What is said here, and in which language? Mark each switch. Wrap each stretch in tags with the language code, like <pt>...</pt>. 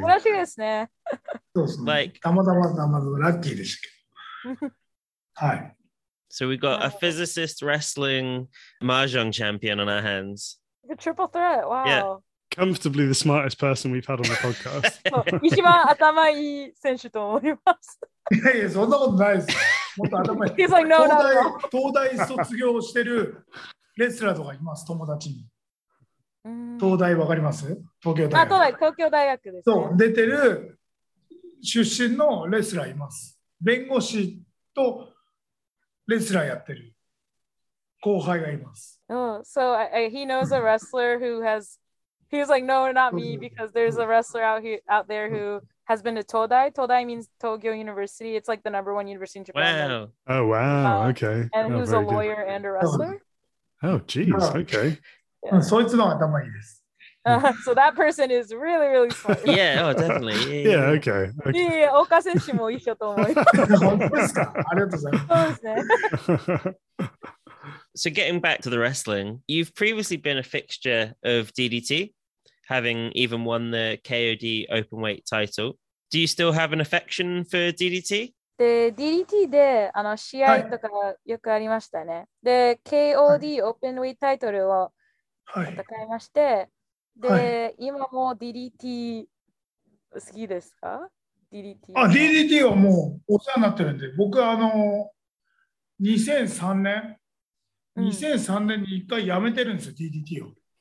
<ja>Wow, lucky ですね。 Like, たまたまラッキーでしたけど。はい。</ja> <en>So we've got a physicist, wrestling, mahjong champion on our hands. A triple threat. Wow. Yeah. Comfortably the smartest person we've had on the podcast.</en> <ja>一番頭いい選手と思います。いやいや、そんなことないです。もっと頭いい。</ja> <en>He's like, no, no, no.</en> <ja>東大卒業してるレスラーとかいます、友達に。東大わかります？東京大学。あ、東大、東京大学です、ね。そう、出てる出身のレスラーいます。弁護士とレスラーやってる後輩がいます。</ja> <en>Oh, so he knows a wrestler who has... He's like, no, not me, because there's a wrestler out there who has been to Todai. Todai means Tokyo University. It's like the number one university in Japan. Wow. Oh, wow. Okay. And who's a lawyer and a wrestler. Oh, geez. Okay. So it's not that way. So that person is really, really smart. Yeah, oh, definitely. Yeah, okay.</en> <ja>Yeah, yeah, Ohka 選手も一緒と思います。本当ですか？ありがとうございます。そうですね。</ja> <en>So getting back to the wrestling, you've previously been a fixture of DDT, having even won the KOD Openweight title. Do you still have an affection for DDT?</en> <ja>で、DDT で、あの、試合とかよくありましたね。はい、で、KOD Openweight title を戦いまして、はい、で、はい、今も DDT 好きですか？DDT。あ、DDT はもうお世話になってるんで、僕、あの、2003年に一回辞めてるんですよ、DDT を。</ja>